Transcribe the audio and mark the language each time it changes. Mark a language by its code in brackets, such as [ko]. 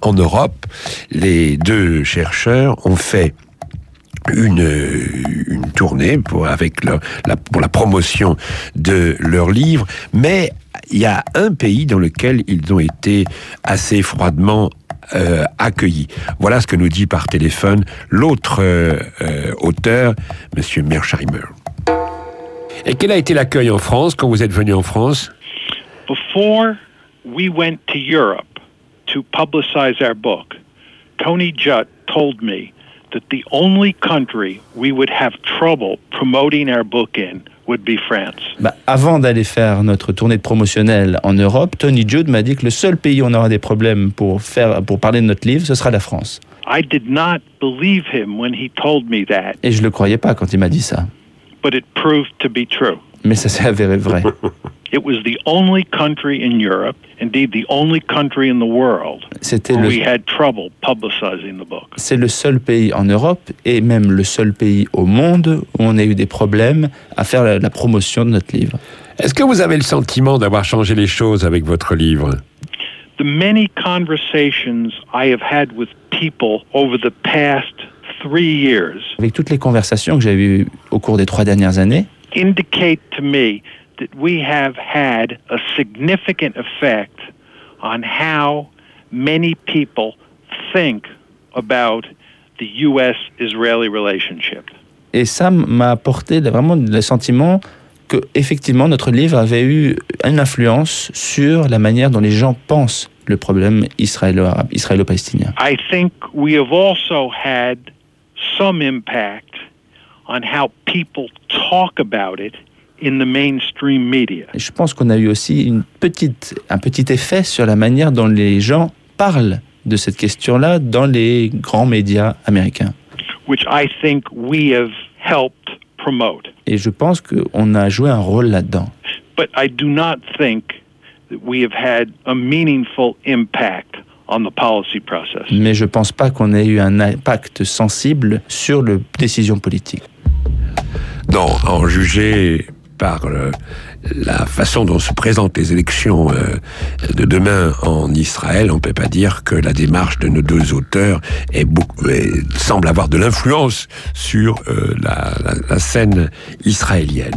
[fr] En Europe, les deux chercheurs ont fait une tournée pour la promotion de leur livre, mais il y a un pays dans lequel ils ont été assez froidement accueillis. Voilà ce que nous dit par téléphone l'autre auteur, Monsieur Mersheimer. Et quel a été l'accueil en France quand vous êtes venu en France? [en] Before we went to Europe to publicize our book, Tony Judt told me that the only country we would have trouble promoting our book in would be France. [fr] Avant d'aller faire notre tournée de promotionnelle en Europe, Tony Judt m'a dit que le seul pays où on aura des problèmes pour parler de notre livre, ce sera la France. [en] I did not believe him when he told me that. [fr] Et je le croyais pas quand il m'a dit ça. [en] But it proved to be true. [fr] Mais ça s'est avéré vrai. [en] It was the only country in Europe, indeed the only country in the world, where we had trouble publicizing the book. [fr] C'est le seul pays en Europe et même le seul pays au monde où on a eu des problèmes à faire la promotion de notre livre. Est-ce que vous avez le sentiment d'avoir changé les choses avec votre livre? [en] The many conversations I have had with people over the past 3 years. [fr] Avec toutes les conversations que j'ai eues au cours des 3 dernières années. [en] Indicate to me that we have had a significant effect on how many people think about the U.S.-Israeli relationship. [fr] Et ça m'a apporté vraiment le sentiment que effectivement notre livre avait eu une influence sur la manière dont les gens pensent le problème israélo-palestinien. [en] I think we have also had some impact on how people talk about it in the mainstream media. [fr] Et je pense qu'on a eu aussi un petit effet sur la manière dont les gens parlent de cette question-là dans les grands médias américains. [en] Which I think we have helped promote. [fr] Et je pense qu'on a joué un rôle là-dedans. [en] But I do not think that we have had a meaningful impact on the policy process. [fr] Mais je pense pas qu'on ait eu un impact sensible sur les décisions politiques. Non, en juger par la façon dont se présentent les élections de demain en Israël, on ne peut pas dire que la démarche de nos deux auteurs semble avoir de l'influence sur la scène israélienne.